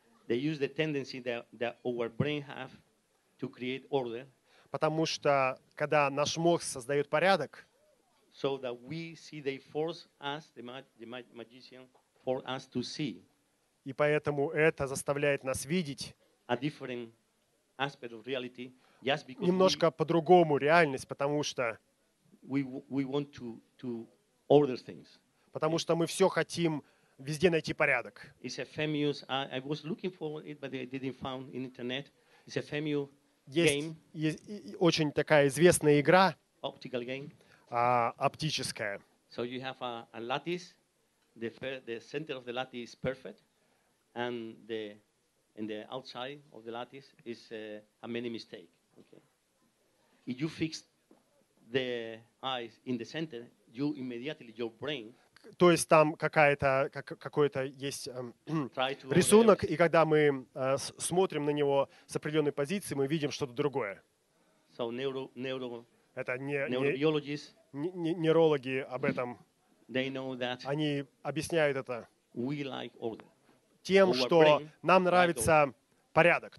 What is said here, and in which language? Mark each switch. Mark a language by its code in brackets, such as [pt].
[en] They use the tendency that our brain have to create order. [ru] Потому что когда наш мозг создает порядок, [en] so that we see they force us, the magician force us to see. [ru] И поэтому это заставляет нас видеть [en] a different aspect of reality. Yes, because [ru] немножко по-другому реальность, потому что [en] we want to order things. [ru] Потому что мы все хотим везде найти порядок. [en] It's a famous. I was looking for it, but I didn't find in internet. It's a famous game. [ru] Есть очень такая известная игра. [en] Optical game. [ru] Оптическая. [en] So you have a lattice. The center of the lattice is perfect, and the outside of the lattice is a many mistake. Okay. If you fix the eyes in the center, you immediately your brain. [ru] То есть там какой-то есть рисунок, и когда мы смотрим на него с определенной позиции, мы видим что-то другое. [en] So, [ru] это нейрологи об этом. Они объясняют это тем, что нам нравится порядок.